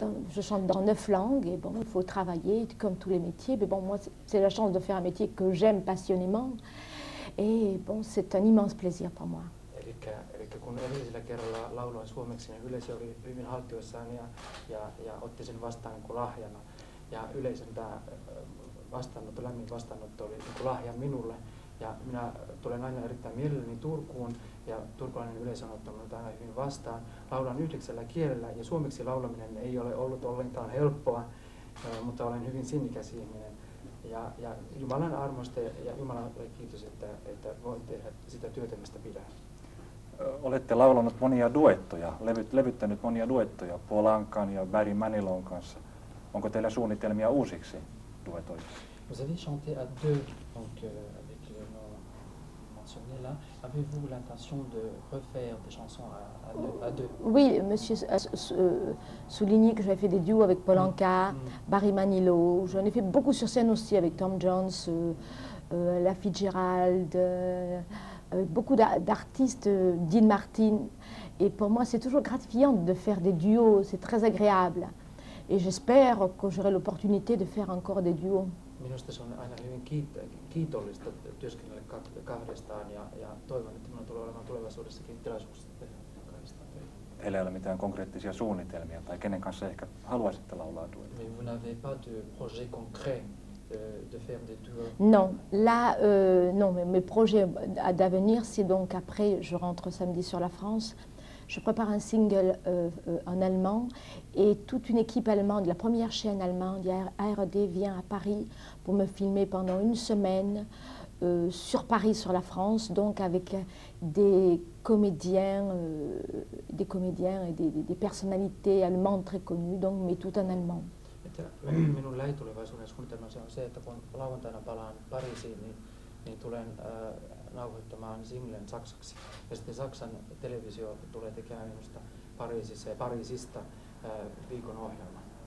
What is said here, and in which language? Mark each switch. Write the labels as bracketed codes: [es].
[fr] Je chante dans 9 langues et bon, il faut travailler comme tous les métiers. Mais bon, moi, c'est la chance de faire un métier que j'aime passionnément. Et bon, c'est un immense plaisir pour moi. [fi] Eli kun edellisellä kerralla lauloin suomeksi, niin yleisö oli hyvin haltioissaan ja otti sen vastaan kuin lahjana. Ja yleisön tämä vastaanotto, lämmin vastaanotto oli niin kuin lahja minulle. Ja minä tulen aina erittäin mielelläni Turkuun ja turkulainen yleisö on ottanut aina hyvin vastaan. Laulan 9 kielellä ja suomeksi laulaminen ei ole ollut ollenkaan helppoa, mutta olen hyvin sinnikäs ihminen. Ja Jumalan armosta ja Jumalalle kiitos, että voin tehdä sitä työtä, mistä pidän. Olette laulanut monia duettoja, levyttänyt monia duettoja Polankan ja Barry Manilon kanssa. Onko teillä suunnitelmia uusiksi duetoiksi? [fr] Vous avez chanté à deux, donc avec le nom mentionné là. Avez-vous l'intention de refaire des chansons à deux? Oui, monsieur a souligné que j'avais fait des duos avec Polanka, Barry Manilow. J'en ai fait beaucoup sur scène aussi avec Tom Jones, Ella Fitzgerald, avec beaucoup d'artistes, Dean Martin. Et pour moi, c'est toujours gratifiant de faire des duos, c'est très agréable. Et j'espère que j'aurai l'opportunité de faire encore des duos. [fi] minusta se on aina hyvin kiitollista työskennellä kahdestaan ja toivon, että minulla tulee olemaan tulevaisuudessakin tilaisuus tehdä kahdestaan. Teillä ei ole mitään konkreettisia suunnitelmia tai kenen kanssa ehkä haluaisitte laulaa duetta? [fr] Mais vous n'avez pas de projet concret de faire des duos? Non, là, non, mais mes projets d'avenir, c'est donc après, je rentre samedi sur la France. Je prépare un single en allemand et toute une équipe allemande, la première chaîne allemande, ARD, vient à Paris pour me filmer pendant une semaine sur Paris, sur la France, donc avec des comédiens et des personnalités allemandes très connues, donc mais tout en allemand. [fi] Minun lähitulevaisuuden suunnitelma on se, että kun lauantaina palaan Pariisiin, niin tulen nauhoittamaan singlen saksaksi. Ja sitten Saksan televisio tulee tekemään minusta Pariisissa ja Pariisista viikon ohjelman.